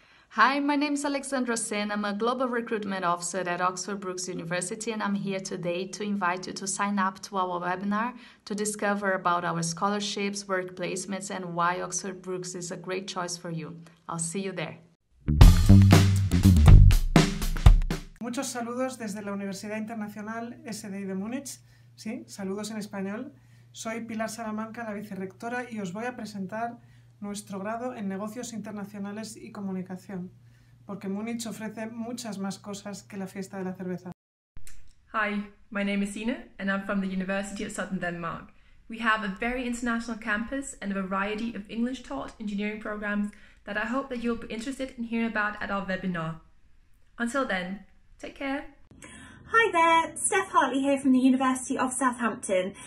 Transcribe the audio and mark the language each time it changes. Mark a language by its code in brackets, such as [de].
[en] Hi, my name is Alexandra Sen. I'm a Global Recruitment Officer at Oxford Brookes University, and I'm here today to invite you to sign up to our webinar to discover about our scholarships, work placements, and why Oxford Brookes is a great choice for you. I'll see you there. [es] Muchos saludos desde la Universidad Internacional SDI de Múnich. Sí, saludos en español. Soy Pilar Salamanca, la vicerrectora, y os voy a presentar nuestro grado en Negocios Internacionales y Comunicación, porque Múnich ofrece muchas más cosas que la fiesta de la cerveza. [en] Hi, my name is Ina, and I'm from the University of Southern Denmark. We have a very international campus and a variety of English-taught engineering programs that I hope that you'll be interested in hearing about at our webinar. Until then, take care. Hi there, Steph Hartley here from the University of Southampton.